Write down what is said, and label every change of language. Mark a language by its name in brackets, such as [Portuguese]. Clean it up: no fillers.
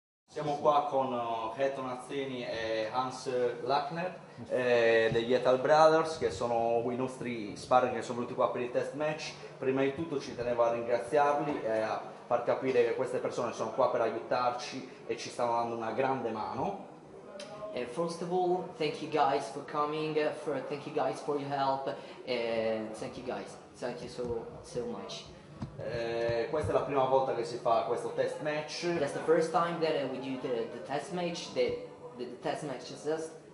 [Italian] Siamo qua con Heton Azzini e Hans Lackner degli Ethel Brothers, che sono i nostri sparring che sono venuti qua per il test match. Prima di tutto ci tenevo a ringraziarli e a far capire che queste persone sono qua per aiutarci e ci stanno dando una grande mano. [English] First of all, thank you guys for coming, thank you guys for your help, thank you guys, thank you so much. [Italian] Questa è la prima volta che si fa questo test match. [English] That's the first time that we do the test match, the test match assist.